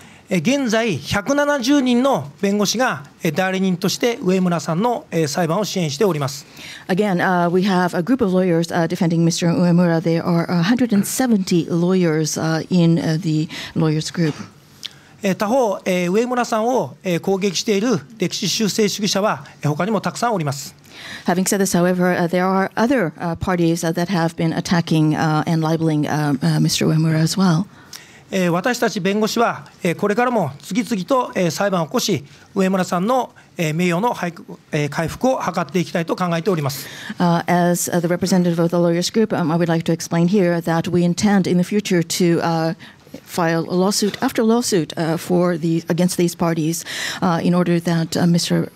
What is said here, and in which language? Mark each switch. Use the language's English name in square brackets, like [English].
[Japanese] 現在170人の弁護士が代理人として上村さんの裁判を支援しております。 [English] Again, we have a group of lawyers defending Mr. Uemura. There are 170 lawyers in the lawyers group. [Japanese] 他方、上村さんを攻撃している歴史修正主義者は他にもたくさんおります。 [English] Having said this, however, there are other parties that have been attacking and libeling Mr. Uemura as well. [Japanese] 私たち弁護士はこれからも次々と裁判を起こし、上村さんの名誉の回復を図っていきたいと考えております。 [English] As the representative of the lawyers group, I would like to explain here that we intend in the future to file a lawsuit after lawsuit against these parties in order that Mr.